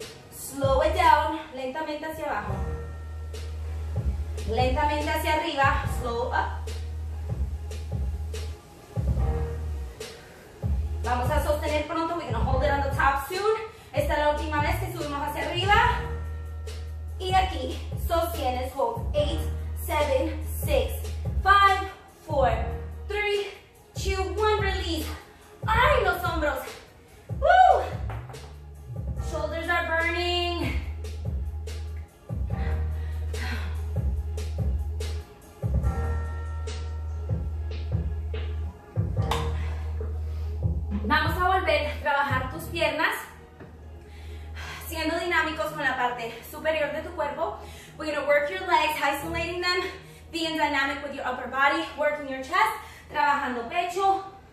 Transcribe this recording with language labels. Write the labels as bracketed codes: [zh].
[en] Slow it down. [es] Lentamente hacia abajo. Lentamente hacia arriba. [en] Slow up. [es] Vamos a sostener pronto. We're going to hold it on the top soon. Esta es la última vez que subimos hacia arriba. Y aquí. Sostienes, hold. 8, 7, 6, 5, 4, 3, 2, 1. Release. ¡Ay, los hombros! ¡Woo! [en] Shoulders are burning. [es] Vamos a volver a trabajar tus piernas. Siendo dinámicos con la parte superior de tu cuerpo. [en] We're going to work your legs, isolating them, being dynamic with your upper body, working your chest, [es] trabajando pecho.